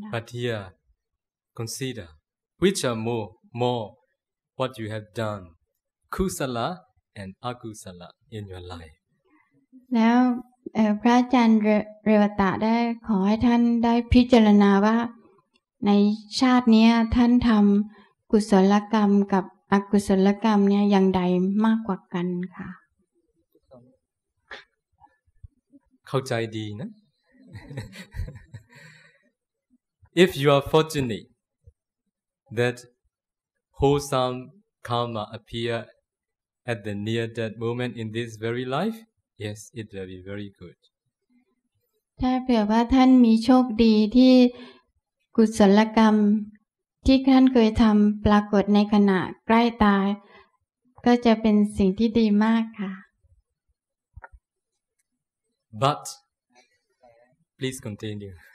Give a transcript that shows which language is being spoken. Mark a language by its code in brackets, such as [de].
[en] But here consider which are more what you have done kusala and akusala in your life [th] แล้วพระอาจารย์เรวตะได้ขอให้ท่านได้พิจารณาว่าในชาตินี้ท่านทำกุศลกรรมกับอกุศลกรรมเนี่ยอย่างใดมากกว่ากันค่ะ เข้าใจดีนะ [en] If you are fortunate that wholesome karma appearAt the near death moment in this very life, yes, it will be very good. [th] ถ้าเผื่อว่าท่านมีโชคดีที่กุศลกรรมที่ท่านเคยทำปรากฏในขณะใกล้ตายก็จะเป็นสิ่งที่ดีมากค่ะ [en] But please continue.